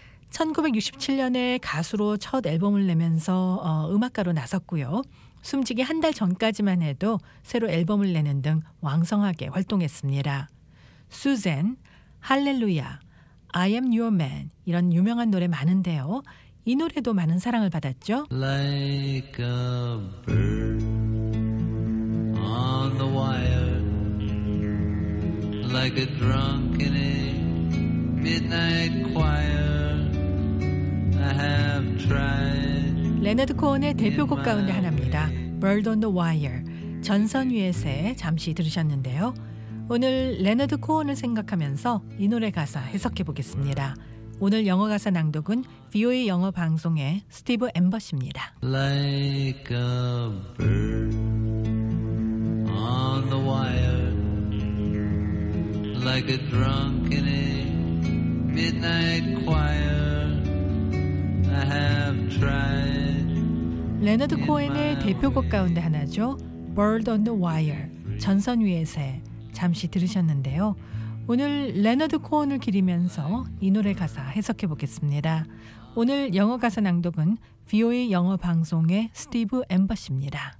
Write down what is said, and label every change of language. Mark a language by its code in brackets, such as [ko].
[ko] 1967년에 가수로 첫 앨범을 내면서 음악가로 나섰고요. 숨지기 한 달 전까지만 해도 새로 앨범을 내는 등 왕성하게 활동했습니다. 수잔, 할렐루야, I am your man 이런 유명한 노래 많은데요. 이 노래도 많은 사랑을 받았죠. [en] Like a bird on the wire, like a drunken midnight choir, I have tried. [ko] 레너드 코헨의 대표곡 가운데 하나입니다. [en] Bird on the Wire. [ko] 전선 위에 새 잠시 들으셨는데요. 오늘 레너드 코헨을 생각하면서 이 노래 가사 해석해 보겠습니다. 오늘 영어 가사 낭독은 VOA 영어 방송의 스티브 엠버시입니다. [en] Like a bird on the wire, like a drunken midnight choir, I have tried. [ko] 레너드 코헨의 대표곡 가운데 하나죠. Bird on the Wire, 전선 위의 새 잠시 들으셨는데요. 오늘 레너드 코헨을 기리면서 이 노래 가사 해석해 보겠습니다. 오늘 영어 가사 낭독은 VOA 영어 방송의 스티브 엠버시입니다.